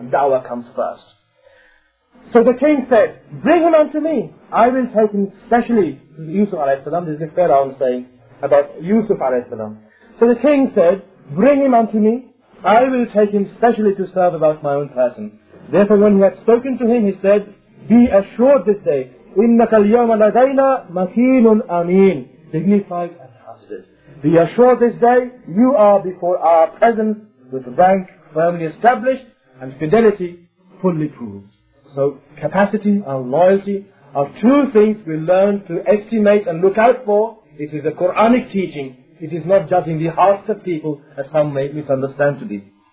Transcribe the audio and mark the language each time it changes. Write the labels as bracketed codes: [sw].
[en] And da'wah comes first. So the king said, bring him unto me, I will take him specially. Yusuf alayhi salam, this is the Pharaoh saying about Yusuf alayhi salam. So the king said, bring him unto me, I will take him specially to serve about my own person. Therefore when he had spoken to him, he said, be assured this day, [ar] إِنَّكَ الْيَوْمَ لَدَيْنَا مَكِينٌ أَمِينٌ [en] Dignified and hazardous. Be assured this day, you are before our presence with rank firmly established and fidelity fully proved. So capacity and loyalty are two things we learn to estimate and look out for. It is a Quranic teaching. It is not judging the hearts of people as some may misunderstand to be.